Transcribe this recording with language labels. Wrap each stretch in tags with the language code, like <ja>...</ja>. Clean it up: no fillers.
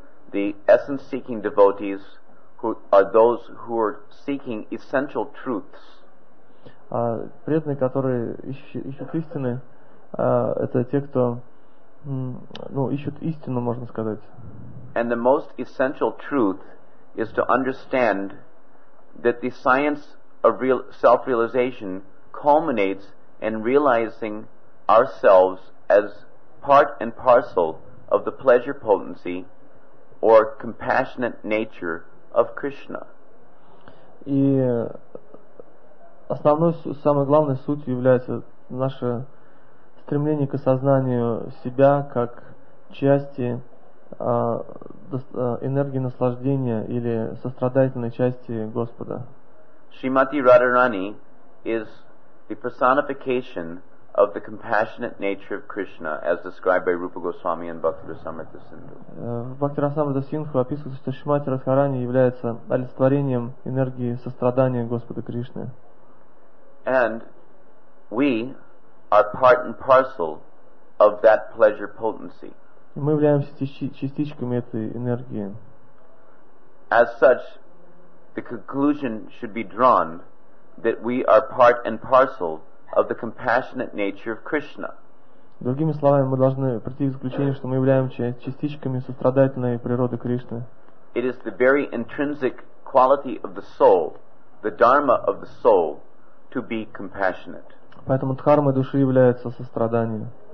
<en>The essence-seeking devotees who are those who are seeking essential truths.</en> <ru>Преданные, которые ищут истины, это те, кто ищут истину, можно сказать.</ru> <en>And the most essential truth is to understand that the science of real self-realization culminates in realizing ourselves as part and parcel of the pleasure potency or compassionate nature of Krishna.</en> <ru>И основной, самой главной сутью является наше стремление к осознанию себя как части энергии наслаждения или сострадательной части Господа.</ru> <en>Shrimati Radharani is the personification of the compassionate nature of Krishna as described by Rupa Goswami and Bhaktivinoda Sindhu.</en> <ru>Bhaktivinoda Sindhu описывает, что Шримати Радхарани является олицетворением энергии сострадания Господа Кришны.</ru> <en>And we are part and parcel of that pleasure potency.</en> <ru>Мы являемся частичками этой энергии.</ru> <en>As such, the conclusion should be drawn that we are part and parcel of the compassionate nature of Krishna.</en> <ru>Другими словами, мы должны прийти к заключению, что мы являемся частичками сострадательной природы Кришны.</ru> <en>It is the very intrinsic quality of the soul, the dharma of the soul, to be compassionate.</en> <ru>Поэтому дхармой души является сострадание.</ru>